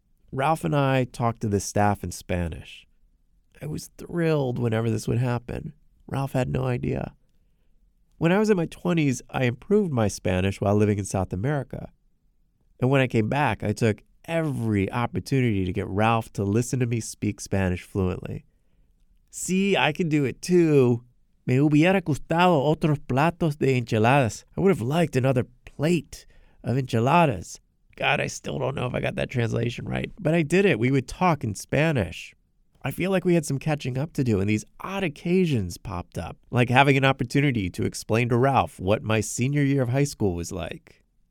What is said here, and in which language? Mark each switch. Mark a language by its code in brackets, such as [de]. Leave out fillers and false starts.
[en] Ralph and I talked to the staff in Spanish. I was thrilled whenever this would happen. Ralph had no idea. When I was in my 20s, I improved my Spanish while living in South America. And when I came back, I took every opportunity to get Ralph to listen to me speak Spanish fluently. See, I can do it too. [es] Me hubiera gustado otros platos de enchiladas. [en] I would have liked another plate of enchiladas. God, I still don't know if I got that translation right. But I did it. We would talk in Spanish. I feel like we had some catching up to do, and these odd occasions popped up, like having an opportunity to explain to Ralph what my senior year of high school was like.